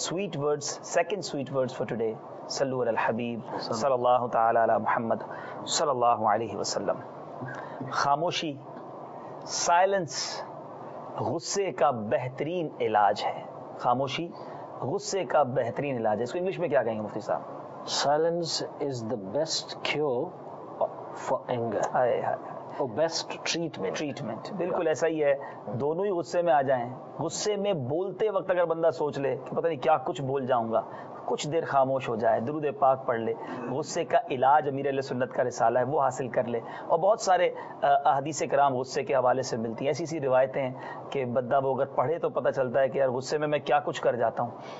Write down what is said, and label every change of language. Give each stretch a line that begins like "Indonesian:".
English: sweet words, second sweet words for today,
Arabic: صلوا علی الحبیب صلی اللہ تعالی علی محمد صلی اللہ علیہ وسلم.
Urdu: خاموشی, سائلنس غصے کا بہترین علاج ہے. خاموشی غصے کا بہترین علاج ہے. اس کو انگلش میں کیا کہیں گے مفتی صاحب؟
English: silence is the best cure for anger,
Urdu: اور
English: Best treatment.
Urdu: ٹریٹمنٹ بالکل ایسا ہی ہے. دونوں ہی غصے میں آ جائیں. غصے میں بولتے وقت اگر بندہ سوچ لے کہ پتہ نہیں کیا کچھ بول جاؤں گا, کچھ دیر خاموش ہو جائے, درود پاک پڑھ لے, غصے کا علاج امیر اہل سنت کا رسالہ ہے, وہ حاصل کر لے. اور بہت سارے احادیث کرام غصے کے حوالے سے ملتی ہیں. ایسی ایسی روایتیں ہیں کہ بندہ وہ اگر پڑھے تو پتہ چلتا ہے کہ یار غصے میں میں کیا کچھ کر جاتا ہوں.